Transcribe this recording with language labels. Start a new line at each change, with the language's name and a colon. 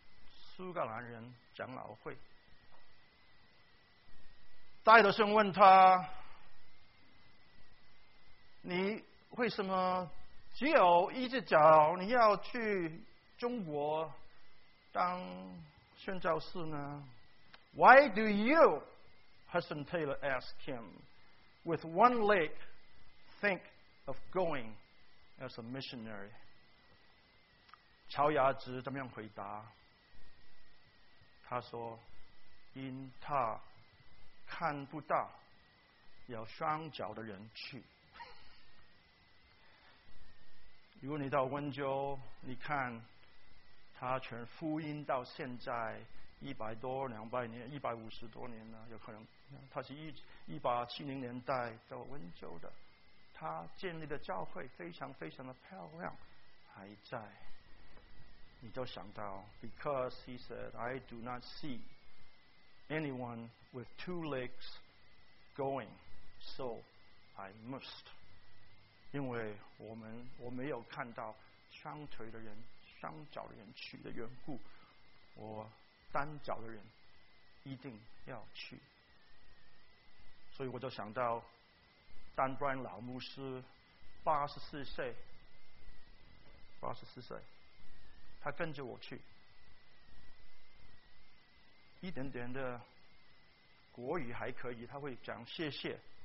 Chinese: 苏格兰人长老会，戴德生问他，你为什么只有一只脚，你要去中国当宣教士呢？
English: Why do you, Hudson Taylor asked him, with one leg think of going as a missionary?
Chinese: 乔雅直怎么样回答？他说，因他看不到有双脚的人去。如果你到温州，你看他全福音到现在150多年了，有可能他是1870年代到温州的，他建立的教会非常非常的漂亮，还在。你就想到
English: Because he said I do not see anyone with two legs going, so I must.
Chinese: 因为我没有看到双腿的人、双脚的人去的缘故，我单脚的人一定要去。所以我就想到Dan Bryan老牧师84岁，他跟着我去，一点点的国语还可以，他会讲谢谢。